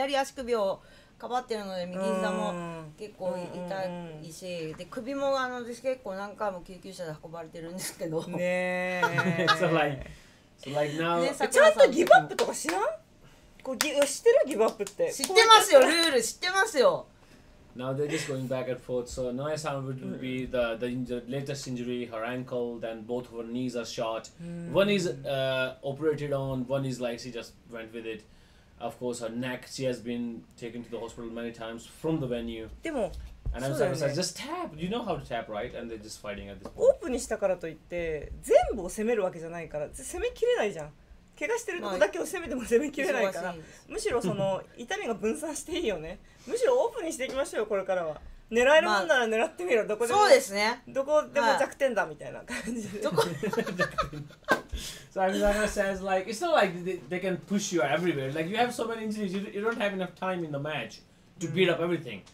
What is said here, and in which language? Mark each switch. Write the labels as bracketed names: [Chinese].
[Japanese] 左足首をかばってるので右膝も結構痛いし、で首もあの結構何回も救急車で運ばれてるんですけどねえそう、 [English] like now [Japanese] ちゃんとギブアップとか知らん、こう知ってる、ギブアップって知ってますよ、ルール知ってますよ。 [English] Now they're just going back and forth. So Noe san would be the latest injury, her ankle, then both of her knees are shot. One is operated on, one is like she just went with it. Of course, her neck, she has been taken to the hospital many times from the venue. [Japanese] でも、 [English] And I'm saying, just tap. You know how to tap, right? And they're just fighting at this point. [Japanese] オープンにしたからといって、全部を攻めるわけじゃないから、攻めきれないじゃん。怪我してるとこだけを攻めても攻めきれないから、むしろその痛みが分散していいよね。むしろオープンにしていきましょうよ、これからは。狙えるもんなら狙ってみろ、どこでも。そうですね。どこでも弱点だ、みたいな感じで。どこ [English] So Amazana says, like, it's not like they can push you everywhere. Like, you have so many injuries, you don't have enough time in the match to beat up everything.